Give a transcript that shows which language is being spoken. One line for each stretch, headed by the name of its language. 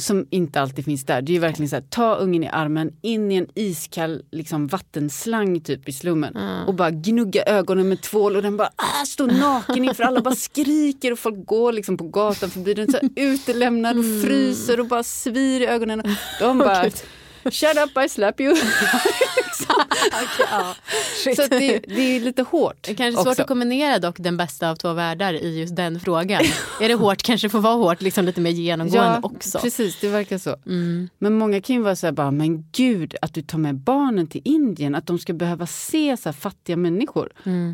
Swedish: Som inte alltid finns där. Det är ju verkligen så här, ta ungen i armen, in i en iskall liksom vattenslang typ i slummen. Mm. Och bara gnugga ögonen med tvål och den bara står naken inför alla, bara skriker och folk går liksom på gatan förbi den, så utelämnad och fryser och bara svir i ögonen. De bara,
English: shut up, I slap you. Okay,
Swedish: så det är lite hårt. Det kanske är svårt att kombinera dock den bästa av två världar i just den frågan. Är det hårt, kanske får vara hårt liksom lite mer genomgående också. Ja, precis, det verkar så. Mm. Men många kan ju vara så här, bara, men gud, att du tar med barnen till Indien, att de ska behöva se så här fattiga människor. Mm.